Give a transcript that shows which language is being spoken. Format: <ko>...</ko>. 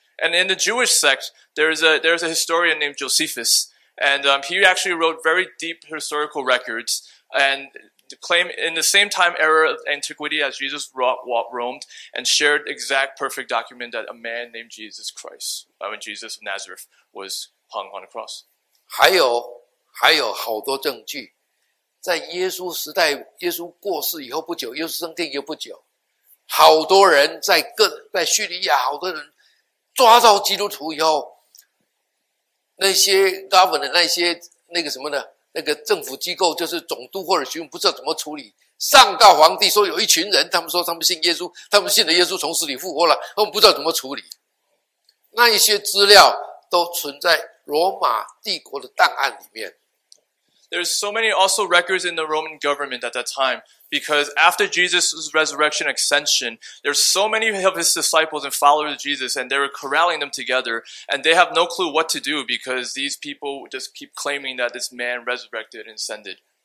<en>And in the Jewish sect, there's a historian named Josephus, and he actually wrote very deep historical records, and claim in the same time era of antiquity as Jesus roamed and shared exact perfect document that a man named Jesus Christ, I mean Jesus of Nazareth, was hung on a cross.</en> <zh>还有好多证据，在耶稣时代，耶稣过世以后不久，耶稣升天又不久，好多人在叙利亚，好多人抓到基督徒以后，那些 governor 那些那个什么的。那个政府机构就是总督或者巡抚，不知道怎么处理，上告皇帝说有一群人，他们说他们信耶稣，他们信了耶稣从死里复活了，他们不知道怎么处理。那一些资料都存在罗马帝国的档案里面。</zh> <en>There's so many also records in the Roman government at that time, because after Jesus' resurrection ascension, there's so many of his disciples and followers of Jesus, and they were corralling them together, and they have no clue what to do because these people just keep claiming that this man resurrected and ascended.</en>